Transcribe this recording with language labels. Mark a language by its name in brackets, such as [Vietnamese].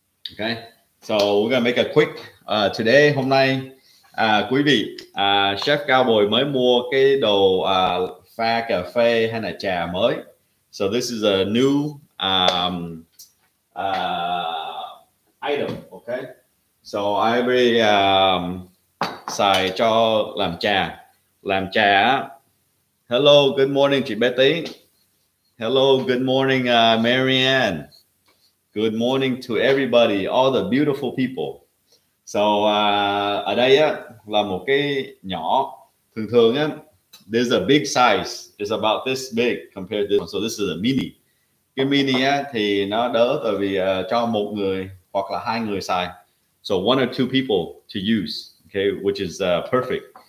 [English] Okay, so we're gonna make a quick today. [Vietnamese] Hôm nay quý vị, Chef Cowboy mới mua cái đồ pha cà phê hay là trà mới. [English] So this is a new item, okay? So I really [Vietnamese] xài cho làm trà. Làm trà. [English] Hello, good morning, chị Betty. Hello, good morning, Marianne. Good morning to everybody, all the beautiful people. [Vietnamese] So ở đây á, là một cái nhỏ. Thường thường á, [English] this is a big size. It's about this big compared to this one. So this is a mini. [Vietnamese] Cái mini á, thì nó đỡ tại vì cho một người hoặc là hai người xài. [English] So one or two people to use, okay, which is perfect.